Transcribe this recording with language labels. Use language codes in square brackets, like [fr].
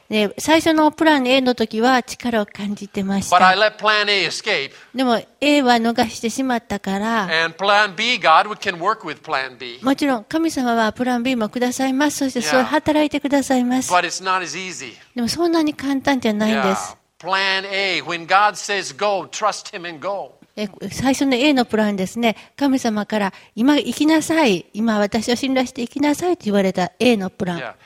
[ja] で最初のプラン A の時は力を感じてました。 [en] But I let plan A escape. [ja] でも A は逃してしまったから。 [en] And plan B, God can work with plan B. [ja] もちろん神様はプラン B もくださいます。そしてそう働いてくださいます。 [en] But it's not as easy. [ja] でもそんなに簡単じゃないんです。 [en] Plan A, when God says go, trust Him and go. [ja] 最初の A のプランですね。神様から今行きなさい、今私を信頼して行きなさいと言われた A のプラン。